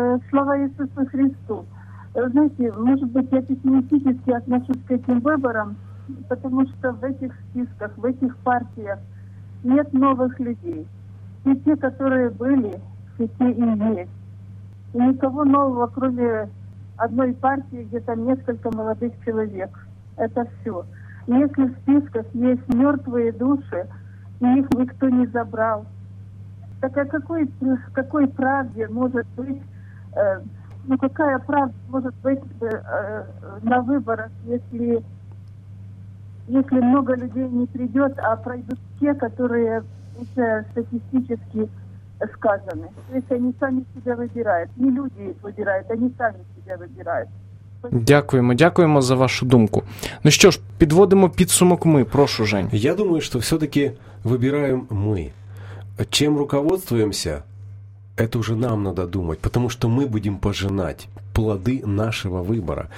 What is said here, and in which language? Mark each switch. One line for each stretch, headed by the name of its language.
Ukrainian: Слава Ісусу Христу. Знаєте, може бути, я пісімістично відношусь к цим виборам, тому що в цих списках, в цих партіях нет нових людей. І ті, які були, всі ті і є. І нікого нового, кроме
Russian: одной партии, где там несколько молодых человек. Это все. Если в списках есть мертвые души, и их никто не забрал, так о какой правде может быть, какая правда может быть на выборах, если много людей не придет, а пройдут те, которые уже статистически сказаны. То есть они сами себя выбирают. Не люди выбирают, они сами себя выбирают.
Ukrainian: Дякуємо, дякуємо за вашу думку. Ну що ж, підводимо підсумок ми. Прошу, Жень. Я думаю, що все-таки вибираємо ми. Чим руководствуємося, це вже нам треба думати, тому що ми будемо пожинати плоди нашого вибору.